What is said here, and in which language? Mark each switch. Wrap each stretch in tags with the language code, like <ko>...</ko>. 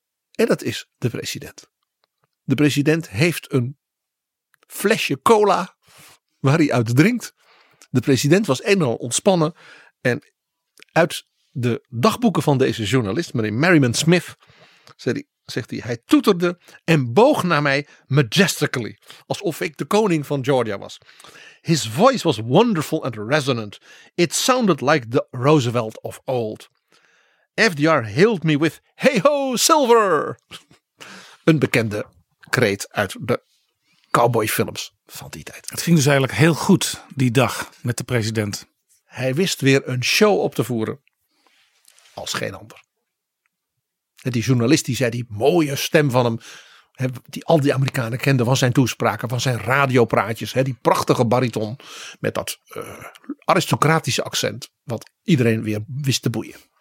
<nl>En dat is de president. De president heeft een flesje cola waar hij uit drinkt. De president was een en al ontspannen. En uit de dagboeken van deze journalist, meneer Merriman Smith, zegt hij, hij toeterde en boog naar mij majestically, alsof ik de koning van Georgia was.</nl> <en>His voice was wonderful and resonant. It sounded like the Roosevelt of old. FDR hailed me with, hey ho, silver!</en> <nl>Een bekende kreet uit de cowboyfilms van die tijd. Het ging dus eigenlijk heel goed die dag met de president. Hij wist weer een show op te voeren als geen ander. Die journalist die zei, die mooie stem van hem, die al die Amerikanen kenden van zijn toespraken, van zijn radiopraatjes, die prachtige bariton met dat aristocratische accent, wat iedereen weer wist te boeien.</nl>